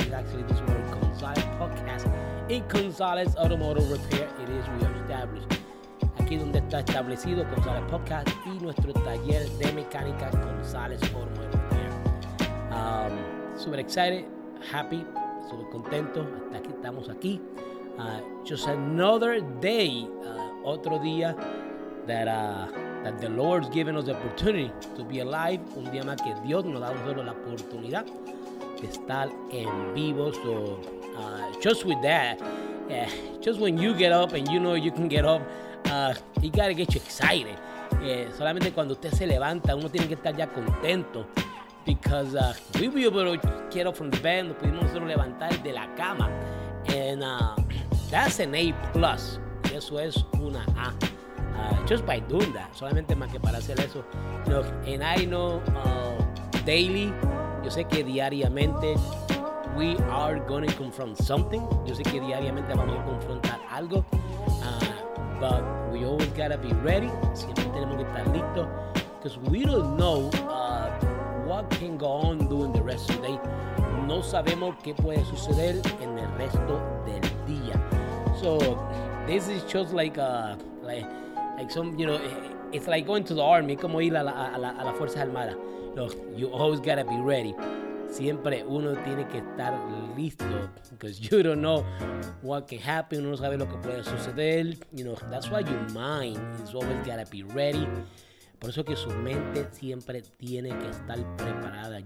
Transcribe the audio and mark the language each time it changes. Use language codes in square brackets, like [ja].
[en] It's actually this one, Gonzalez Podcast, in Gonzalez Automotive Repair. It is we are established. [es] Aquí donde está establecido Gonzalez Podcast y nuestro taller de mecánica Gonzalez Automotive Repair. [en] Super excited, happy. [es] Estoy contento, hasta que estamos aquí. [en] Just another day, [es] otro día [en] that the Lord's given us the opportunity to be alive. [es] Un día más que Dios nos da solo la oportunidad de estar en vivo. [en] So, just with that, just when you get up and you know you can get up, you gotta get you excited. [es] Solamente cuando usted se levanta, uno tiene que estar ya contento. [en] Because we were able to get up from the bed, [es] nos pudimos levantar de la cama. [en] And that's an A+. [es] Y eso es una A. [en] Just by doing that. [es] Solamente más que para hacer eso. [en] You know, and I know daily, [es] yo sé que diariamente [en] we are going to confront something. [es] Yo sé que diariamente vamos a confrontar algo. [en] But we always got to be ready. [es] Siempre tenemos que estar listos. [en] Because we don't know what can go on during the rest of the day. [es] No sabemos qué puede suceder en el resto del día. [en] So this is just like it's like going to the army, [es] como ir a la fuerza armada. [en] Look, you always gotta be ready. [es] Siempre uno tiene que estar listo, [en] because you don't know what can happen. [es] Uno no sabe lo que puede suceder. [en] You know, that's why your mind is always gotta be ready. [es] Por eso que su mente siempre tiene que estar preparada.